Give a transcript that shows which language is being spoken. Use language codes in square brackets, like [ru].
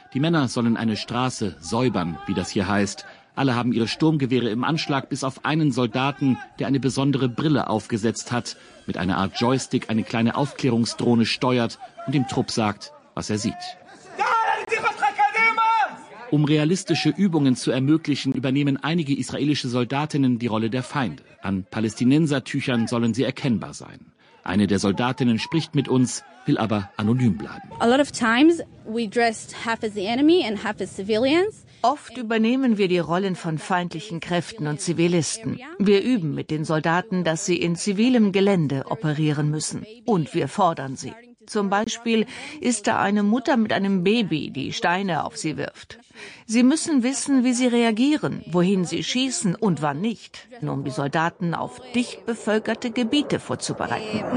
[de] Die Männer sollen eine Straße säubern, wie das hier heißt. Alle haben ihre Sturmgewehre im Anschlag, bis auf einen Soldaten, der eine besondere Brille aufgesetzt hat, mit einer Art Joystick eine kleine Aufklärungsdrohne steuert und dem Trupp sagt, was er sieht. Um realistische Übungen zu ermöglichen, übernehmen einige israelische Soldatinnen die Rolle der Feinde. An Palästinensertüchern sollen sie erkennbar sein. Eine der Soldatinnen spricht mit uns, will aber anonym bleiben. [en] A lot of times we dressed half as the enemy and half as civilians. [de] Oft übernehmen wir die Rollen von feindlichen Kräften und Zivilisten. Wir üben mit den Soldaten, dass sie in zivilem Gelände operieren müssen. Und wir fordern sie. Zum Beispiel ist da eine Mutter mit einem Baby, die Steine auf sie wirft. Sie müssen wissen, wie sie reagieren, wohin sie schießen und wann nicht, nur um die Soldaten auf dicht bevölkerte Gebiete vorzubereiten.